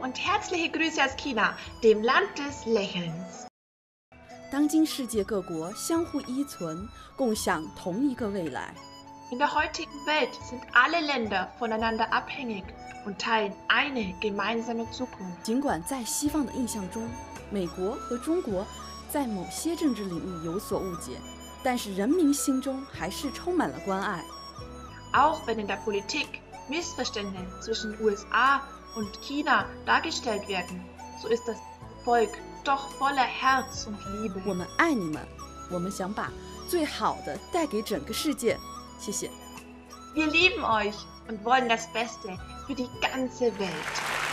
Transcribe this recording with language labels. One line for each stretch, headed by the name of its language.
German: und herzliche Grüße aus China, dem Land des Lächelns.
Chinese: 当今世界各国相互依存，共享同一个未来。
German: In der heutigen Welt sind alle Länder voneinander abhängig und teilen eine gemeinsame Zukunft.
Chinese: 尽管在西方的印象中，美国和中国在某些政治领域有所误解，但是人民心中还是充满了关爱。
German: Auch wenn in der Politik Missverständnisse zwischen USA und China dargestellt werden, so ist das Volk doch voller Herz und Liebe.
Chinese: 我们爱你们，我们想把最好的带给整个世界。谢谢。
German: Wir lieben euch und wollen das Beste für die ganze Welt.